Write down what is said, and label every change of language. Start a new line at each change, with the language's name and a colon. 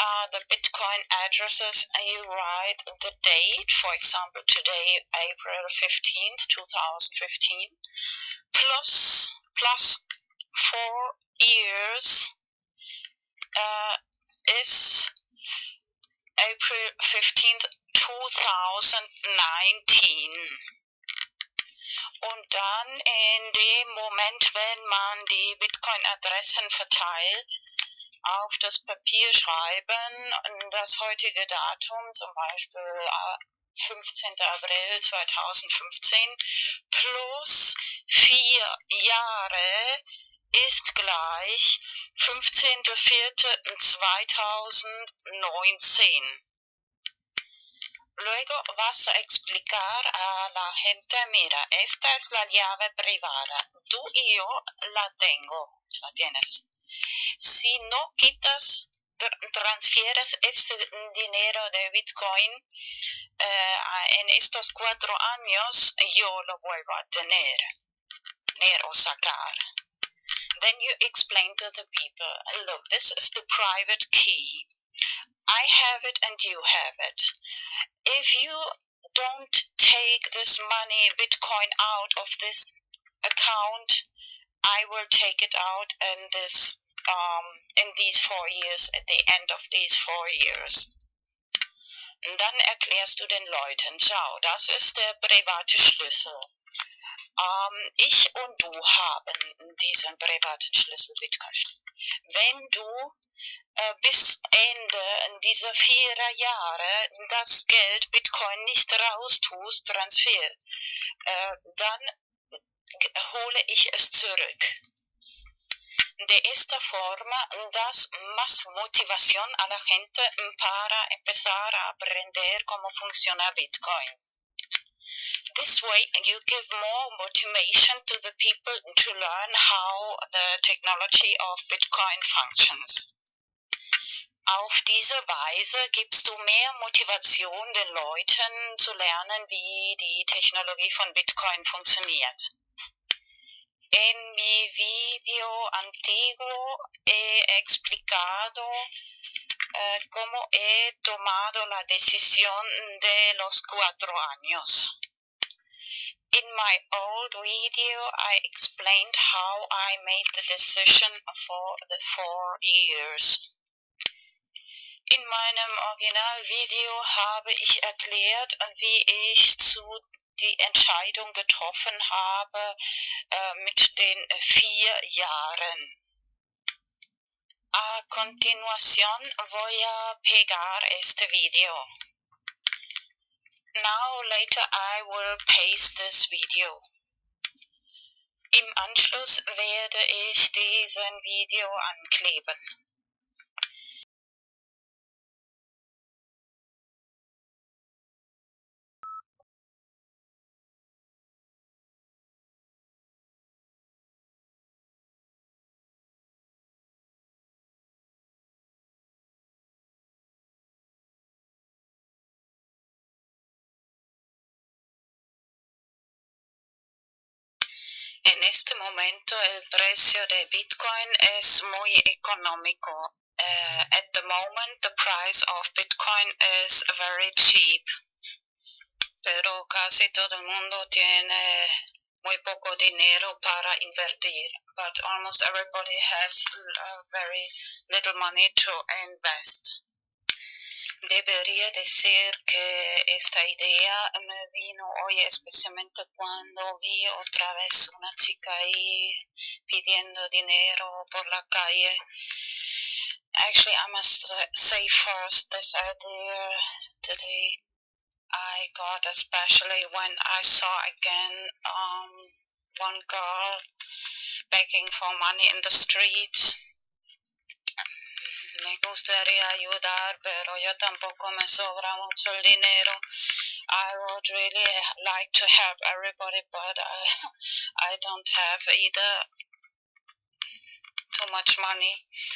English: The Bitcoin addresses, you write the date, for example, today, April 15th, 2015, plus 4 years is April 15th, 2019.
German: Und dann in dem Moment, wenn man die Bitcoin-Adressen verteilt, auf das Papier schreiben, das heutige Datum, zum Beispiel 15. April 2015, plus 4 Jahre ist gleich 15.04.2019.
Spanish: Luego vas a explicar a la gente, mira, esta es la llave privada, tú y yo la tengo, la tienes. Si no quitas, transfieres este dinero de Bitcoin en estos 4 años, yo lo vuelvo a tener o sacar.
English: Then you explain to the people, look, this is the private key. I have it and you have it. If you don't take this money, Bitcoin, out of this account, I will take it out and this... in these 4 years, at the end of these 4 years.
German: Und dann erklärst du den Leuten, schau, das ist der private Schlüssel. Ich und du haben diesen privaten Schlüssel, Bitcoin-Schlüssel. Wenn du bis Ende dieser 4 Jahre das Geld Bitcoin nicht raustust, Transfer, dann hole ich es zurück.
Spanish: De esta forma das más motivación a la gente para empezar a aprender cómo funciona Bitcoin.
English: This way you give more motivation to the people to learn how the technology of Bitcoin functions.
German: Auf diese Weise gibst du mehr Motivation den Leuten zu lernen, wie die Technologie von Bitcoin funktioniert.
Spanish: En mi video antiguo he explicado cómo he tomado la decisión de los 4 años.
English: In my old video, I explained how I made the decision for the 4 years.
German: In meinem Originalvideo habe ich erklärt, wie ich zu die Entscheidung getroffen habe mit den 4 Jahren.
Spanish: A continuación voy a pegar este video.
English: Now later I will paste this video.
German: Im Anschluss werde ich diesen Video ankleben.
Spanish: En este momento el precio de Bitcoin es muy económico.
English: At the moment the price of Bitcoin is very cheap.
Spanish: Pero casi todo el mundo tiene muy poco dinero para invertir.
English: But almost everybody has very little money to invest.
Spanish: Debería decir que esta idea me vino hoy especialmente cuando vi otra vez una chica ahí pidiendo dinero por la calle.
English: Actually, I must say first this idea today I got, especially when I saw again one girl begging for money in the streets.
Spanish: Me gustaría ayudar, pero yo tampoco me sobra mucho el dinero.
English: I would really like to help everybody, but I don't have either too much money.